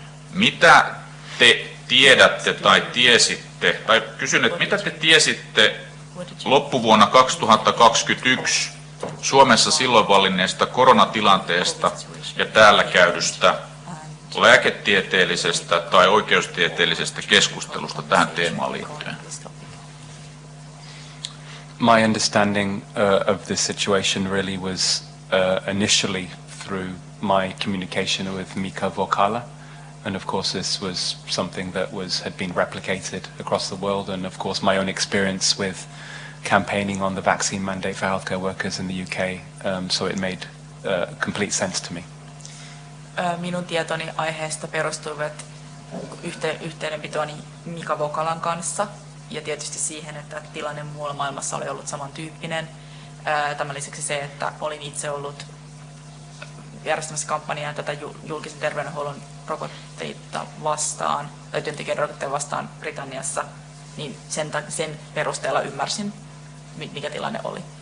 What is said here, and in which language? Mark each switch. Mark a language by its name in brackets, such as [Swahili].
[Finnish] Mitä te tiedätte tai tiesitte, tai kysyn, että mitä te tiesitte loppuvuonna 2021 Suomessa silloin vallinneesta koronatilanteesta ja täällä käydystä lääketieteellisestä tai oikeustieteellisestä keskustelusta tähän teemaan liittyen? [English] My understanding of this situation really was initially through my communication with Mika Vokala. And of course, this was something that had been replicated across the world. And of course, my own experience with campaigning on the vaccine mandate for healthcare workers in the UK, so it made complete sense to me. [Finnish] Minun tietoni aiheesta perustuivat yhteydenpitoni Mika Vokalan kanssa ja tietysti siihen, että tilanne muualla maailmassa oli ollut samantyyppinen. Tämän lisäksi se, että olin itse ollut järjestämässä kampanjaa tätä julkisen terveydenhuollon rokotteita vastaan, tai työntekijän rokotteita vastaan Britanniassa, niin sen perusteella ymmärsin, mikä tilanne oli.